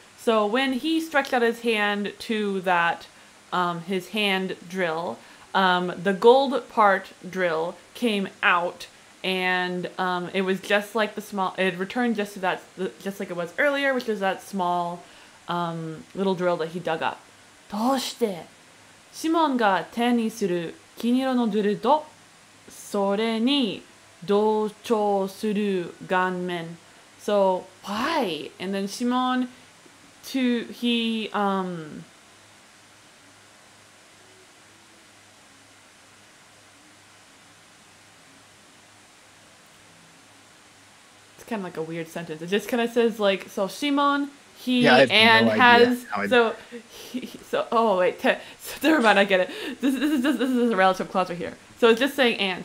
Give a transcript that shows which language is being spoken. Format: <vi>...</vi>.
<en>So when he stretched out his hand to that, his hand drill, the gold part drill came out, and it was just like the small. It returned just to that, just like it was earlier, which is that small, little drill that he dug up.</en> <ja>どうして? シモンが手にする金色のドリルとそれに同調する顔面。</ja> <en>So why? And then Shimon, it's kind of like a weird sentence. It just kind of says like, so Shimon, this is a relative clause right here. So it's just saying and.</en>